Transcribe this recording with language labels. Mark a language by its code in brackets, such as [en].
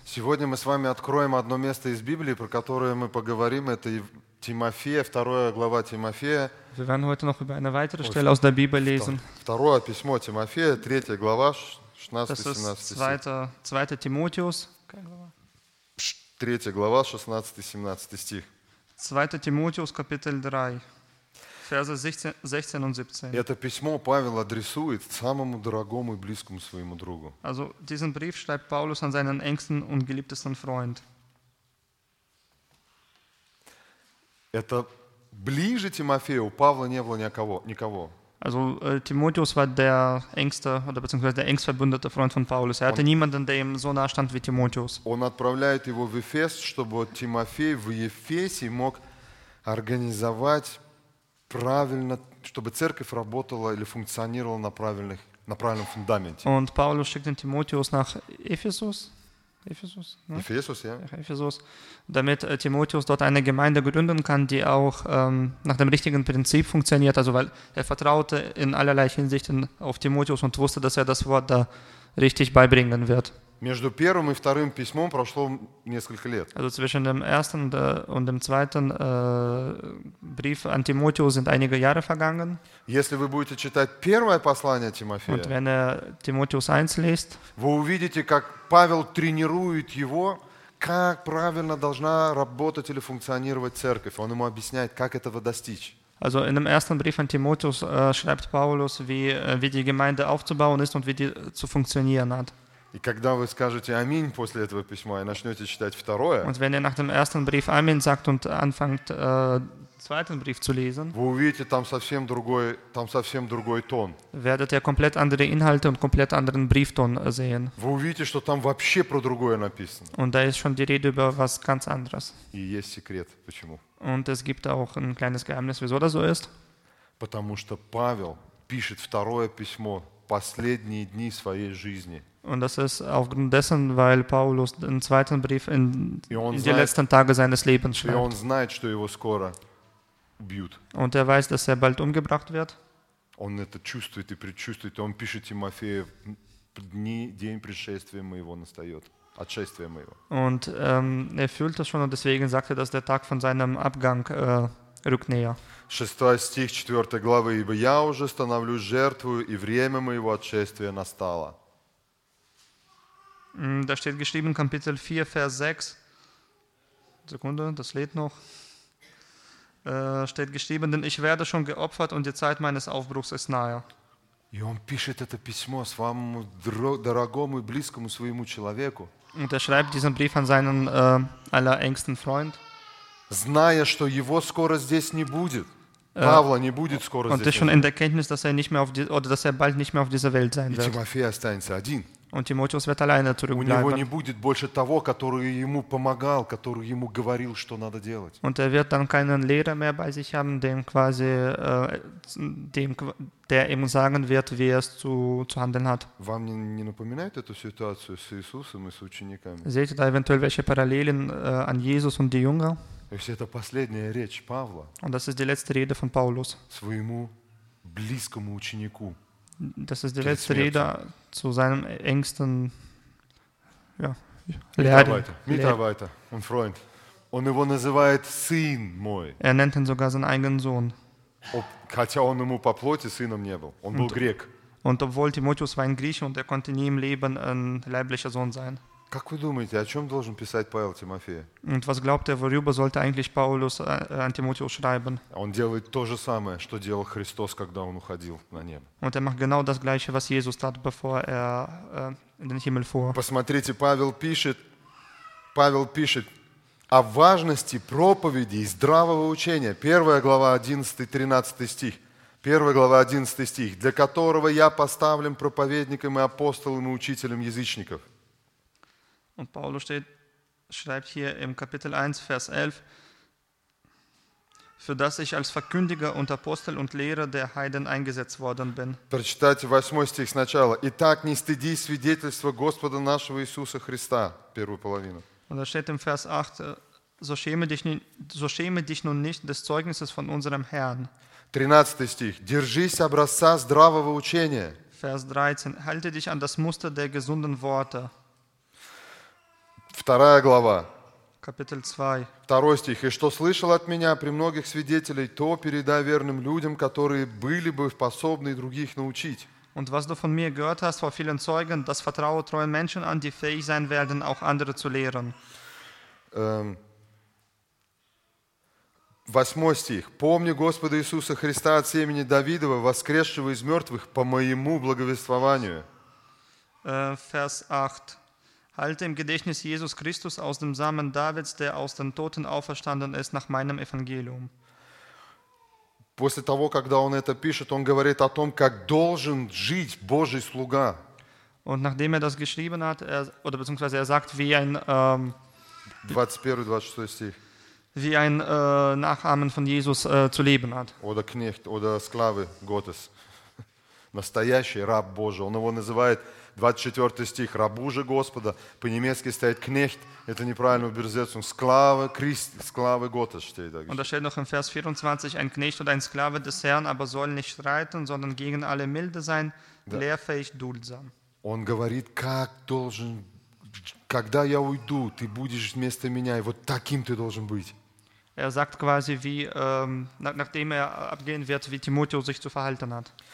[ru] Сегодня мы с вами откроем одно место из Библии, про которое мы поговорим. Это Тимофея, 2 глава Тимофея. [de] Wir werden heute noch über eine weitere Stelle aus der Bibel lesen. [ru] Второе письмо Тимофея, 3 глава, 16-17. [de] Das ist 2. Тимотеус. [ru] 3 глава, 16-17 стих. 2. [de] Тимотеус, капитель 3, verse 16 und 17. [ru] Это письмо Павел адресует самому дорогому и близкому своему другу. [de] Also, diesen Brief schreibt Paulus an seinen engsten und geliebtesten Freund. [ru] Это ближе Тимофея, у Павла не было никого. [de] Also, Тимотеус war der engste, oder beziehungsweise der engst verbündete Freund von Paulus. Er hatte niemanden, der ihm so nahe stand wie Тимотеус. [ru] Он отправляет его в Эфес, чтобы Тимофей в Ефесе мог организовать правильно, чтобы церковь работала или функционировала на правильном фундаменте. [de] Und Paulus schickt den Тимотеус nach Ephesus. Ephesus, ne? Ephesus, ja. Ephesus, damit Тимотеус dort eine Gemeinde gründen kann, die auch nach dem richtigen Prinzip funktioniert, also weil er vertraute in allerlei Hinsichten auf Тимотеус und wusste, dass er das Wort da richtig beibringen wird. [ru] Между первым и вторым письмом прошло несколько лет. [de] Also zwischen dem ersten und dem zweiten Brief an Тимотеус sind einige Jahre vergangen. [ru] Если вы будете читать первое послание Тимофея, [de] und wenn er Тимотеус 1 liest, [ru] вы увидите, как Павел тренирует его, как правильно должна работать или функционировать церковь. Он ему объясняет, как этого достичь. [de] Also in dem ersten Brief an Тимотеус schreibt Paulus, wie die Gemeinde aufzubauen ist und wie die zu funktionieren hat. [ru] И когда вы скажете «Аминь» после этого письма и начнете читать второе, [de] und wenn ihr nach dem ersten Brief «Amin» sagt und anfängt, zweiten Brief zu lesen, [ru] вы увидите там совсем другой тон. [de] Werdet ihr komplett andere Inhalte und komplett anderen Briefton sehen. [ru] Вы увидите, что там вообще про другое написано. [de] Und da ist schon die Rede über was ganz anderes. [ru] И есть секрет, почему. [de] Und es gibt auch ein kleines Geheimnis, wieso das so ist. [ru] Потому что Павел пишет второе письмо последние дни своей жизни. [de] Und das ist aufgrund dessen, weil Paulus den zweiten Brief in die letzten Tage seines Lebens schreibt. Und er [ru] знает, что его скоро убьют. [de] Und er weiß, dass er bald umgebracht wird. [ru] Он это чувствует и предчувствует. Он пишет Тимофею дни, день пришествия моего настает. Отшествия моего. [de] Und er fühlt das schon und deswegen sagt er, dass der Tag von seinem Abgang rückt näher. [ru] 6 стих 4 главы. Ибо я уже становлюсь жертвою, и время моего отшествия настало. [de] Da steht geschrieben, Kapitel 4, Vers 6, Sekunde, das lädt noch, steht geschrieben, denn ich werde schon geopfert und die Zeit meines Aufbruchs ist nahe. Und er schreibt diesen Brief an seinen allerengsten Freund, [ru] зная, что его скоро здесь не будет. Павла не будет скоро [de] und [ru] здесь. [de] Und er ist schon in Erkenntnis, dass er nicht mehr auf die, oder dass er bald nicht mehr auf dieser Welt sein wird. [ru] И Тимофей останется один. [de] Und Тимотеус wird alleine zurückbleiben. [ru] У него не будет больше того, который ему помогал, который ему говорил, что надо делать. [de] Und er wird dann keinen Lehrer mehr bei sich haben, dem quasi, dem, der ihm sagen wird, wie er es zu handeln hat. [ru] Вам не напоминает эту ситуацию с Иисусом и с учениками? [de] Seht ihr da eventuell welche Parallelen an Jesus und die Jünger? [ru] То есть это последняя речь Павла. [de] Und das ist die letzte Rede von Paulus. [ru] Своему близкому ученику. [de] Das ist die letzte Rede zu seinem engsten, ja, Mitarbeiter und Freund. [ru] Он его называет сын мой. [de] Er nennt ihn sogar seinen eigenen Sohn. [ru] Хотя он ему по плоти сыном не был. Он был грек. [de] Und obwohl Тимотеус war ein Grieche und er konnte nie im Leben ein leiblicher Sohn sein. [ru] Как вы думаете, о чем должен писать Павел Тимофею? [de] Und was glaubt er, worüber sollte eigentlich Paulus an Тимотеус schreiben? [ru] Он делает то же самое, что делал Христос, когда он уходил на небо. [de] Und er macht genau das Gleiche, was Jesus tat, bevor er in den Himmel fuhr. [ru] Посмотрите, Павел пишет о важности проповеди и здравого учения. 1 глава 11-13 стих. 1 глава 11 стих. Для которого я поставлен проповедником и апостолом и учителем язычников. [de] Und Paulus schreibt hier im Kapitel 1, Vers 11, für das ich als Verkündiger und Apostel und Lehrer der Heiden eingesetzt worden bin. [ru] Прочитайте 8 стих сначала. Итак, не стыдись свидетельства Господа нашего Иисуса Христа. Первую половину. [de] Und da steht im Vers 8, so schäme dich nun nicht des Zeugnisses von unserem Herrn. [ru] 13. Стих. Держись образца здравого учения. [de] Vers 13. Halte dich an das Muster der gesunden Worte. [ru] 2. глава. [de] Kapitel 2. 2. [ru] Стих. И что слышал от меня при многих свидетелей, то передай верным людям, которые были бы способны других научить. [de] Und was du von mir gehört hast vor vielen Zeugen, das vertraue treuen Menschen an, die fähig sein werden, auch andere zu lehren. 8. [ru] стих. Помни Господа Иисуса Христа от семени Давидова, воскресшего из мертвых по моему благовествованию. [de] Vers 8. Halte im Gedächtnis Jesus Christus aus dem Samen Davids, der aus den Toten auferstanden ist, nach meinem Evangelium. [ru] После того, когда он это пишет, он говорит о том, как должен жить Божий слуга. [de] Und nachdem er das geschrieben hat, oder beziehungsweise er sagt, wie ein [ru] 21-26 стих. [de] Wie ein Nachahmen von Jesus zu leben hat. Oder Knecht, oder Sklave Gottes. [ru] Настоящий раб Божий. Он его называет, 24 стих, рабу же Господа. По-немецки стоит Knecht. Это неправильная Übersetzung. [de] Sklave Christi, Sklave Gottes steht da. Und da steht noch im Vers 24, ein Knecht oder ein Sklave des Herrn, aber soll nicht streiten, sondern gegen alle milde sein, da. Lehrfähig, duldsam. [ru] Он говорит, как должен быть. Когда я уйду, ты будешь вместо меня, и вот таким ты должен быть. [de] Er sagt quasi, wie, nachdem er abgehen wird, wie Timotheus sich zu verhalten hat.